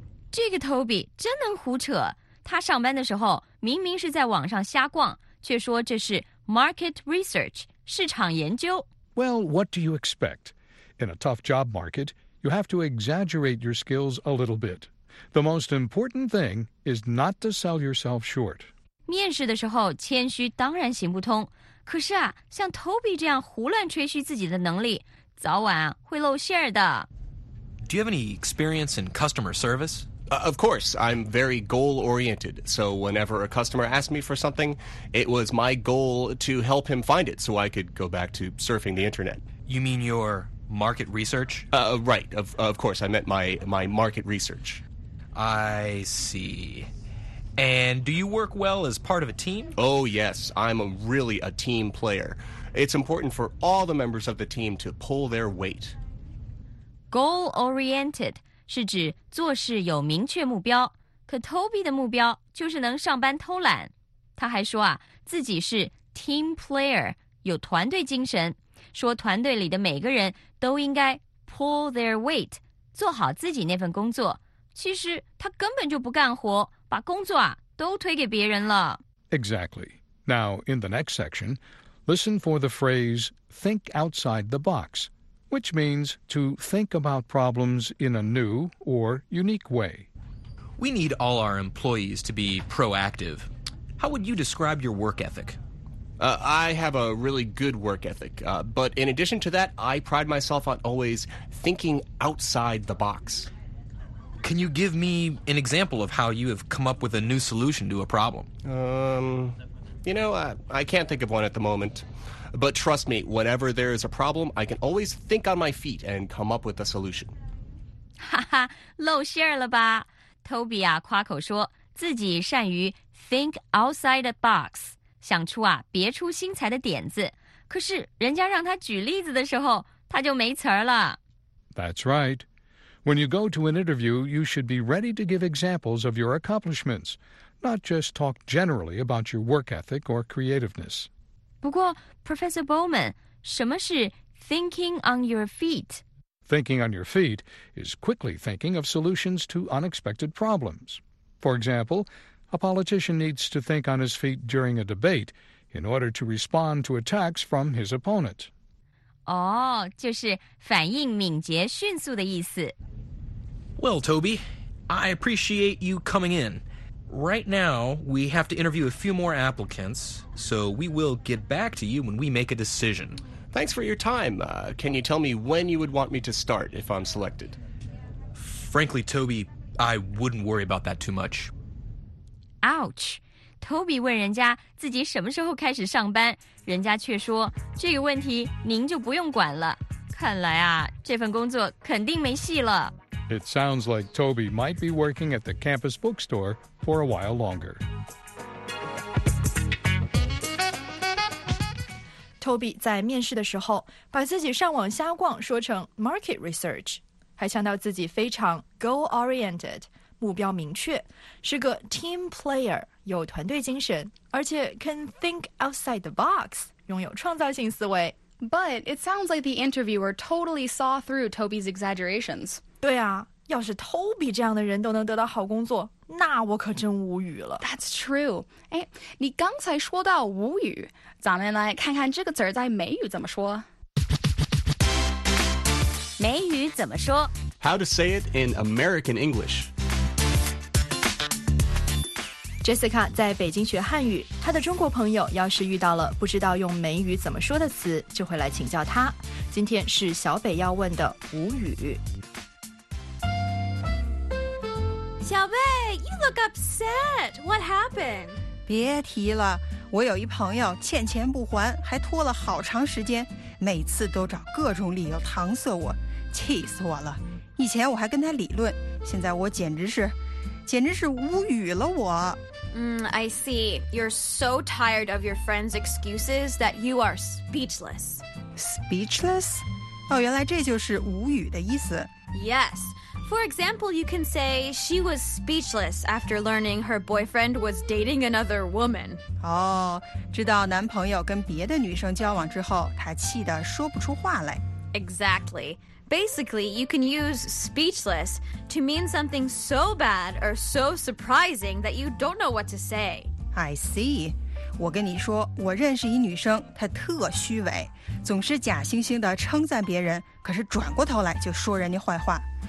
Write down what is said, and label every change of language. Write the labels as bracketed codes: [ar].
[zh] 这个 Toby 真能胡扯，他上班的时候明明是在网上瞎逛，却说这是 [en] market research, [zh] 市场研究。 [en] Well, what do you expect? In a tough job market, you have to exaggerate your skills a little bit. The most important thing is not to sell yourself short. [zh] 面试的时候谦虚当然行不通，可是啊，像 Toby 这样胡乱吹嘘自己的能力，早晚会露馅的。 [en] Do you have any experience in customer service? Of course, I'm very goal-oriented, so whenever a customer asked me for something, it was my goal to help him find it so I could go back to surfing the internet. You mean your market research? Right, of course, I meant my market research. I see... And do you work well as part of a team? Oh, yes. I'm really a team player. It's important for all the members of the team to pull their weight. [zh] Goal-oriented 是指做事有明确目标。可 Toby 的目标就是能上班偷懒。他还说啊，自己是 [en] team player, [zh] 有团队精神。说团队里的每个人都应该 [en] pull their weight, [zh] 做好自己那份工作。其实他根本就不干活。把工作啊都推给别人了。 [en] Exactly. Now, in the next section, listen for the phrase think outside the box, which means to think about problems in a new or unique way. We need all our employees to be proactive. How would you describe your work ethic? I have a really good work ethic, but in addition to that, I pride myself on always thinking outside the box. Can you give me an example of how you have come up with a new solution to a problem? I can't think of one at the moment. But trust me, whenever there is a problem, I can always think on my feet and come up with a solution. [zh] 哈哈，露馅了吧。Toby 啊，夸口说自己善于 [en] think outside the box, [zh] 想出啊别出心裁的点子。可是人家让他举例子的时候，他就没词儿了。 [en] That's right. When you go to an interview, you should be ready to give examples of your accomplishments, not just talk generally about your work ethic or creativeness. [zh] 不过, Professor Bowman, [en] 什么是 thinking on your feet? Thinking on your feet is quickly thinking of solutions to unexpected problems. For example, a politician needs to think on his feet during a debate in order to respond to attacks from his opponent. [zh] 就是反应敏捷迅速的意思。 [en] Well, Toby, I appreciate you coming in. Right now, we have to interview a few more applicants, so we will get back to you when we make a decision. Thanks for your time. Can you tell me when you would want me to start if I'm selected? Frankly, Toby, I wouldn't worry about that too much. Ouch! [zh] Toby 问人家自己什么时候开始上班，人家却说，这个问题您就不用管了。看来啊，这份工作肯定没戏了。 [en] It sounds like Toby might be working at the campus bookstore for a while longer. [zh] Toby 在面试的时候把自己上网瞎逛说成 [en] market research， [zh] 还强调自己非常 [en] goal oriented， [zh] 目标明确，是个 [en] team player， [zh] 有团队精神，而且 [en] can think outside the box， [zh] 拥有创造性思维。 [en] But it sounds like the interviewer totally saw through Toby's exaggerations. [zh] 对啊，要是 Toby 这样的人都能得到好工作，那我可真无语了。 [en] That's true. [zh] 哎，你刚才说到无语，咱们来看看这个词在美语怎么说。美语怎么说 [en] ？How to say it in American English? [zh] Jessica 在北京学汉语，她的中国朋友要是遇到了不知道用美语怎么说的词，就会来请教她。今天是小北要问的无语。 [en] 小贝 you look upset. What happened? [zh] 别提了，我有一朋友欠钱不还，还拖了好长时间，每次都找各种理由搪塞我，气死我了。以前我还跟他理论，现在我简直是无语了我。 [en] I see. You're so tired of your friend's excuses that you are speechless. Speechless? [zh] 哦，原来这就是无语的意思。 [en] Yes. For example, you can say she was speechless after learning her boyfriend was dating another woman. [zh] 哦，知道男朋友跟别的女生交往之后，她气得说不出话来。 [en] Exactly. Basically, you can use speechless to mean something so bad or so surprising that you don't know what to say. I see. [zh] 我跟你说，我认识一女生，她特虚伪，总是假惺惺地称赞别人，可是转过头来就说人家坏话。